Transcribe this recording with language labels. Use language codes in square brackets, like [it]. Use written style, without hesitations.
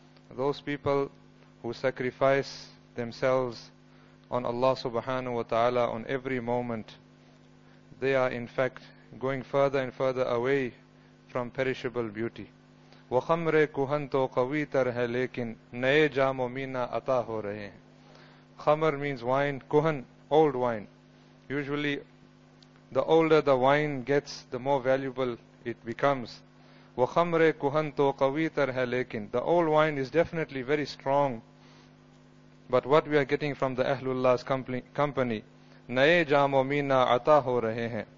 [en] Those people who sacrifice themselves on Allah subhanahu wa ta'ala on every moment, they are in fact going further and further away from perishable beauty. [ur] وَخَمْرِ كُهَن تو قَوِي تر ہے لیکن نئے جام و مینہ عطا ہو رہے ہیں. [en] خمر means wine, kuhan, old wine. Usually, the older the wine gets, the more valuable it becomes. [ur] وَخَمْرِ كُهَن تو قَوِي تر ہے لیکن [en] the old wine is definitely very strong. But what we are getting from the Ahlullah's company, [ur] نئے جام و مینہ عطا ہو رہے ہیں.